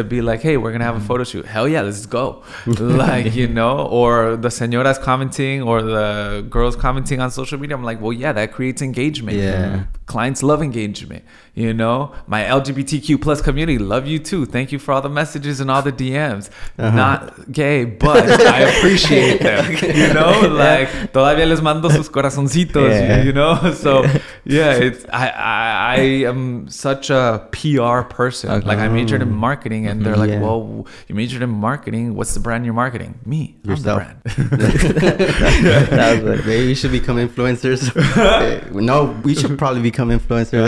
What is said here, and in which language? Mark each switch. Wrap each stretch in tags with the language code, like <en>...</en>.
<en>To be like, hey, we're gonna have a photo shoot. Hell yeah, let's go. Like, you know, or the señora's commenting, or the girl's commenting on social media. I'm like, well, yeah, that creates engagement. Yeah. Clients love engagement. You know, my LGBTQ plus community love you too. Thank you for all the messages and all the DMs. Uh-huh. Not gay, but I appreciate them. You know, like,</en> <es>todavía les mando sus corazoncitos.</es> <en>Yeah. You know, so yeah, I am such a PR person. Okay. Like, I majored in marketing, and they're like, well, you majored in marketing. What's the brand you're marketing? Me, yourself. I'm the brand. That was like, maybe you should become influencers. No, we should probably become influencers.</en>